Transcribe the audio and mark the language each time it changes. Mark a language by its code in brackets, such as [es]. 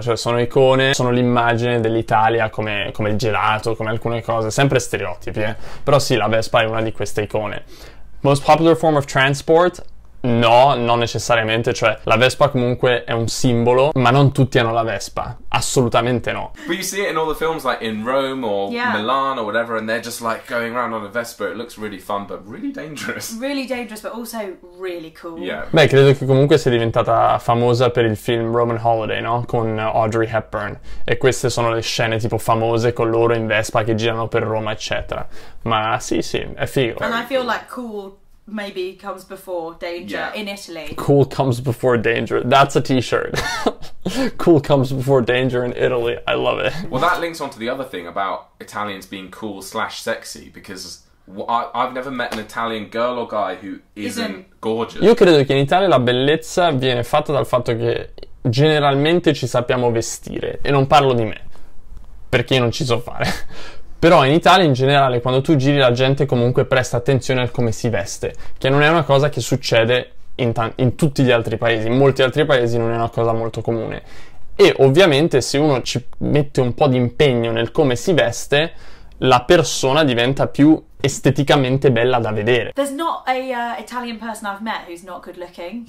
[it] Cioè, sono icone, sono l'immagine dell'Italia, come il gelato, come alcune cose. Sempre stereotipi, eh? Però sì, la Vespa è una di queste icone. [en] Most popular form of transport? [it] No, non necessariamente. Cioè, la Vespa comunque è un simbolo, ma non tutti hanno la Vespa. Assolutamente no. [en] But you see it in all the films, like in Rome or Milan or whatever, and they're just like going around on a Vespa. It looks really fun, but really dangerous. Really dangerous, but also really cool. Yeah. [it] Beh, credo che comunque sia diventata famosa per il film Roman Holiday, no? Con Audrey Hepburn. E queste sono le scene tipo famose con loro in Vespa che girano per Roma, eccetera. Ma sì, sì, è figo. [en] And I feel like cool maybe comes before danger in Italy. Cool comes before danger. That's a t-shirt. Cool comes before danger in Italy. I love it. Well, that links on to the other thing about Italians being cool / sexy, because I've never met an Italian girl or guy who isn't gorgeous. [it] Io credo che in Italia la bellezza viene fatta dal fatto che generalmente ci sappiamo vestire. E non parlo di me, perché io non ci so fare. Però in Italia in generale, quando tu giri, la gente comunque presta attenzione al come si veste, che non è una cosa che succede in tutti gli altri paesi. In molti altri paesi non è una cosa molto comune. E ovviamente se uno ci mette un po' di impegno nel come si veste, la persona diventa più esteticamente bella da vedere. [en] There's not a Italian person I've met who's not good looking.